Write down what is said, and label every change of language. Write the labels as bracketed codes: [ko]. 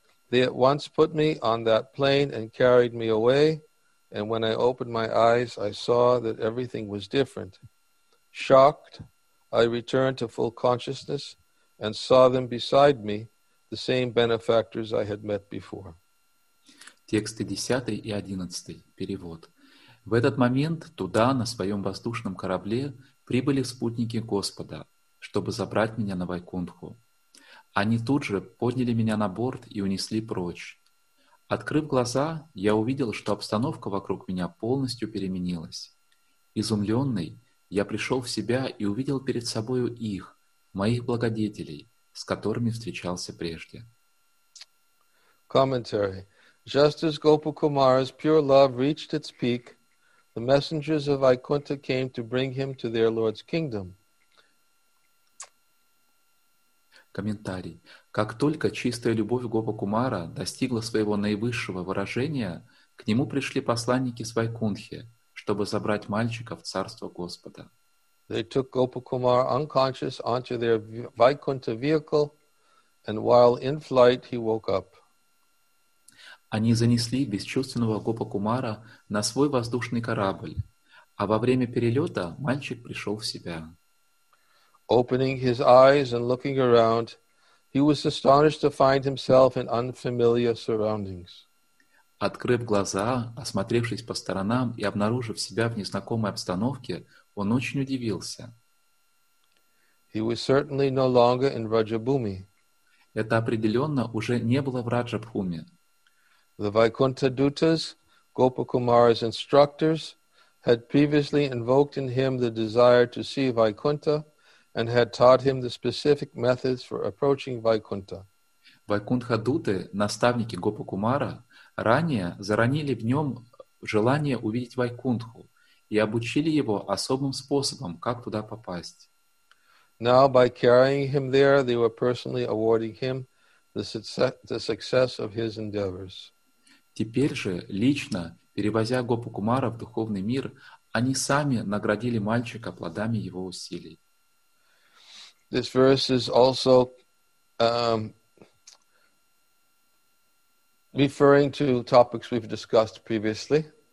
[en] They at once put me on that plane and carried me away. And when I opened my eyes, I saw that everything was different. Shocked, I returned to full consciousness and saw them beside me, the same benefactors I had met before. [ru] Тексты 10 и 11. Перевод. В этот момент туда, на своем воздушном корабле, прибыли спутники Господа, чтобы забрать меня на Вайкунтху. Они тут же подняли меня на борт и унесли прочь. Открыв глаза, я увидел, что обстановка вокруг меня полностью переменилась. Изумленный, я пришел в себя и увидел перед собою их, моих благодетелей, с которыми встречался прежде. [en] Commentary. Just as Gopakumara's pure love reached its peak, the messengers of Vaikuntha came to bring him to their Lord's kingdom. [ru] Комментарий. Как только чистая любовь Гопакумара достигла своего наивысшего выражения, к нему пришли посланники с Вайкунтхи, чтобы забрать мальчика в царство Господа. [en] They took Gopakumara unconscious onto their Vaikuntha vehicle, and while in flight, he woke up. [ru] Они занесли бесчувственного Гопакумара на свой воздушный корабль, а во время перелета мальчик пришел в себя. [en] Opening his eyes and looking around, he was astonished to find himself in unfamiliar surroundings. [ru] Открыв глаза, осмотревшись по сторонам и обнаружив себя в незнакомой обстановке, он очень удивился. [en] He was certainly no longer in Rajabhumi. [ru] Это определенно уже не было в Раджабхуме. [en] The Vaikuntha Dutas, Gopakumara's instructors, had previously invoked in him the desire to see Vaikuntha and had taught him the specific methods for approaching Vaikuntha. [ru] Vaikuntha Duty, наставники Гопакумара, ранее заронили в нем желание увидеть Вайкунтху и обучили его особым способом, как туда попасть. [en] Now, by carrying him there, they were personally awarding him the success of his endeavors. [ru] Теперь же, лично, перевозя Гопакумара в духовный мир, они сами наградили мальчика плодами его усилий. [en] This verse is also referring to topics we've discussed previously.